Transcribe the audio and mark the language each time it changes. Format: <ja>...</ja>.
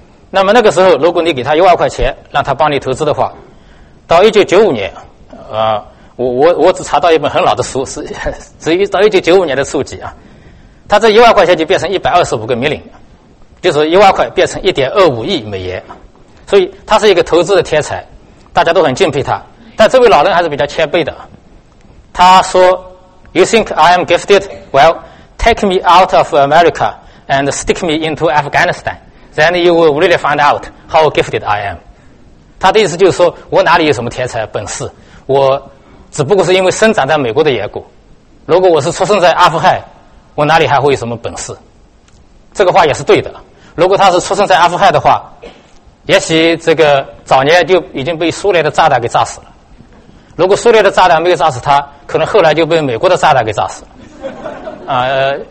<zh>那么那个时候，如果你给他10000块钱，让他帮你投资的话，到1995年，我只查到一本很老的书，是只有到1995年的数据啊。他这10000块钱就变成125个 million，就是10000块变成1.25亿美元，所以他是一个投资的天才，大家都很敬佩他。但这位老人还是比较谦卑的，他说 ：</zh> <en>“You think I am gifted? Well, take me out of America and stick me into Afghanistan, then you will really find out how gifted I am。”</en> <zh>他的意思就是说，我哪里有什么天才本事？我只不过是因为生长在美国的缘故。如果我是出生在阿富汗，我哪里还会有什么本事？这个话也是对的。如果他是出生在阿富汗的话，也许这个早年就已经被苏联的炸弹给炸死了。如果苏联的炸弹没有炸死他，可能后来就被美国的炸弹给炸死了。</zh>